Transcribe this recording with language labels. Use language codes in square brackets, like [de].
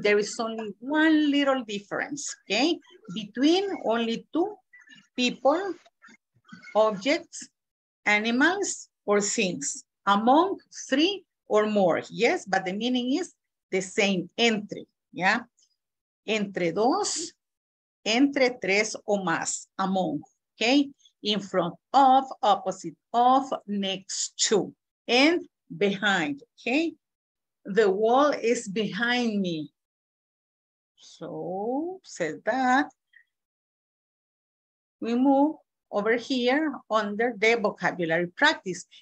[en] There is only one little difference, okay? Between, only two people, objects, animals, or things. Among, three or more, yes, but the meaning is the same, entre, yeah? [es] Entre dos, entre tres o más, among, okay? [en] In front of, opposite of, next to, and behind, okay? The wall is behind me. So, said that. We move over here under the vocabulary practice.